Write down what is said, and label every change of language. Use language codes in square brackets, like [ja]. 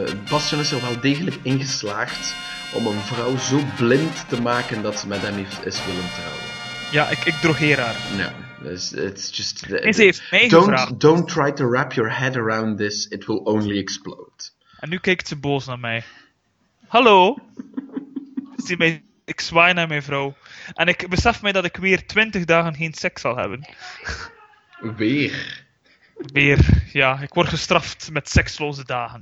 [nl] Bastion is er wel degelijk ingeslaagd om een vrouw zo blind te maken dat ze met hem is willen trouwen. Ja, ik drogeer haar. [en] Ja, it's just... [nl] ze heeft mij gevraagd. [en] Don't try to wrap your head around this. It will only explode. [nl] En nu kijkt ze boos naar mij. Hallo. Ik zwaai naar mijn vrouw. En ik besef mij dat ik weer 20 dagen geen seks zal hebben. Weer. Weer, ja. Ik word gestraft met seksloze dagen.